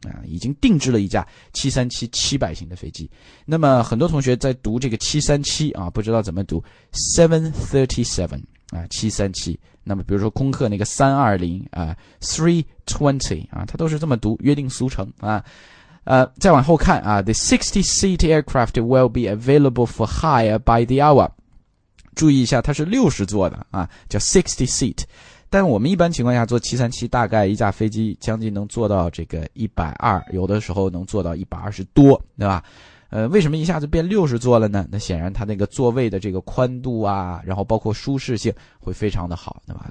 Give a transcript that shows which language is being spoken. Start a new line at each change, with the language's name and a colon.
Chinese: 已经定制了一架737-700型的飞机。那么很多同学在读这个737啊，不知道怎么读 737啊，737，那么比如说空客那个320啊 ,320 啊，它都是这么读，约定俗成啊。再往后看啊
English: ,the 60-seat aircraft will be available for hire by the hour.
Chinese: 注意一下，它是60座的啊，叫 60-seat。但我们一般情况下坐737，大概一架飞机将近能坐到这个120，有的时候能坐到120多，对吧？为什么一下子变60座了呢？那显然它那个座位的这个宽度啊，然后包括舒适性会非常的好，对吧？